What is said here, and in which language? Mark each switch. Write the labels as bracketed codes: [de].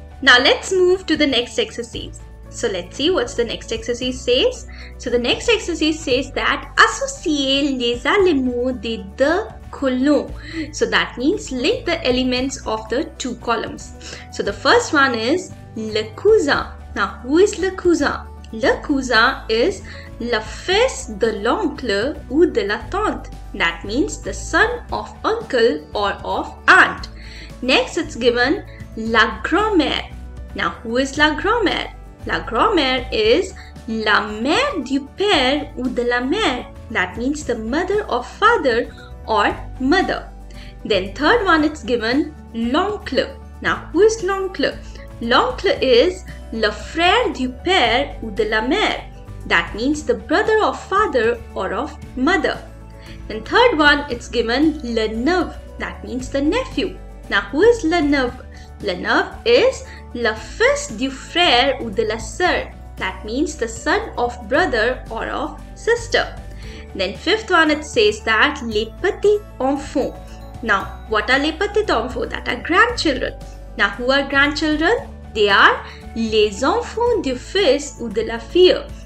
[en] Now let's move to the next exercise. So let's see what the next exercise says. So the next exercise says that [fr] associer les éléments des deux colonnes. [en] So that means link the elements of the two columns. So the first one is le cousin. Now who is le cousin? [fr] Le cousin is le fils de l'oncle ou de la tante. [en] That means the son of uncle or of aunt. Next it's given la grand-mère. Now who is la grand-mère? [fr] La grand-mère is la mère du père ou de la mère. [en] That means the mother of father or mother. Then third one it's given l'oncle. Now who is l'oncle? [fr] L'oncle is le frère du père ou de la mère. [en] That means the brother of father or of mother. And third one it's given le neveu. That means the nephew. Now who is le neveu? [fr] Le neveu is le fils du frère ou de la sœur. [en] That means the son of brother or of sister. Then fifth one it says that les petits enfants. Now what are les petits enfants? That are grandchildren. Now who are grandchildren? They are [fr] les enfants du fils ou de la fille.